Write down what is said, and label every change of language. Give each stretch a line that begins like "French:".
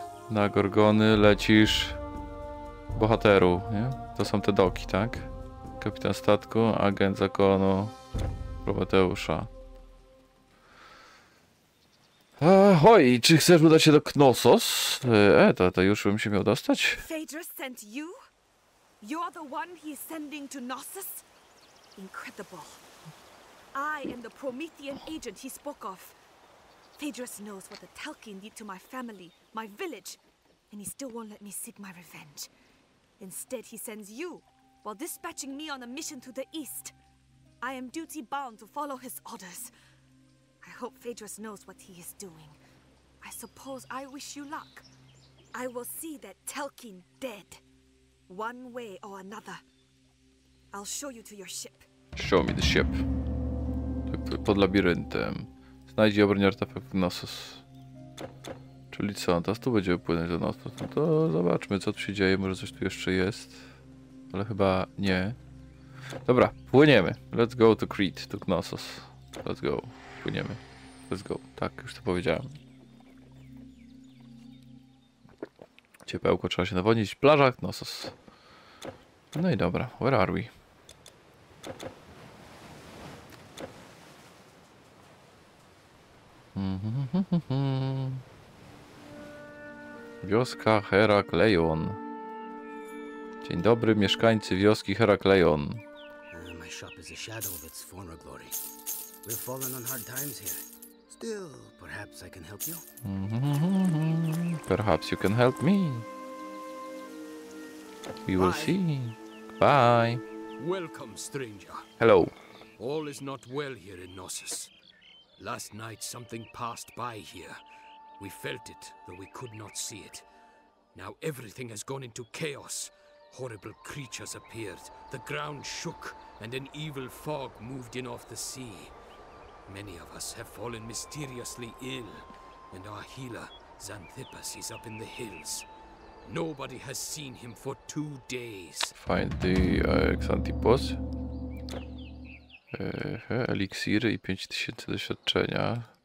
Polish: Na Gorgony lecisz bohateru, nie? To są te doki, tak? Kapitan statku, agent zakonu Prometeusza. Ahoj, czy chcesz udać się do Knossos? To już bym się miał dostać.
English: Phaedrus sent you? You are the one he is sending to Knossos? Incredible. I am the Promethean agent he spoke of. Phaedrus knows what the Telkin did to my family, my village, and he still won't let me seek my revenge. Instead, he sends you, while dispatching me on a mission to the east. I am duty bound to follow his orders. I hope Phaedrus knows what he is doing. I suppose I wish you luck. I will see that Telkin dead. One way or another. I'll show you to your ship. Show me the ship.
Polish: Pod labiryntem. Znajdź obronię artefakt w Knossos. Czyli co, teraz tu będzie płynąć do Knossos. No to zobaczmy, co tu się dzieje. Może coś tu jeszcze jest. Ale chyba nie. Dobra, płyniemy.
English: Let's go to Crete, to Knossos. Let's go.
Polish: Płyniemy.
English: Let's go.
Polish: Tak, już to powiedziałem. Ciepełko, trzeba się nawodnić. Plaża Knossos. No i dobra.
English: Where are we?
Polish: Wioska Herakleion. Dzień dobry, mieszkańcy wioski Herakleion.
English: My shop is a shadow of its former glory. We've fallen on hard times here. Still, perhaps I can help you? Perhaps you can help me. We will Bye. See. Bye. Welcome, stranger. Hello. All is not well here in Knossos. Last night something passed by here. We felt it, though we could not see it. Now everything has gone into chaos. Horrible creatures appeared. The ground shook, and an evil fog moved in off the sea. Many of us have fallen mysteriously ill, and our healer, Xanthippus, is up in the hills. Nobody has seen him for 2 days. Find the Xanthippus.
Polish: Elixir i 5000 doświadczenia.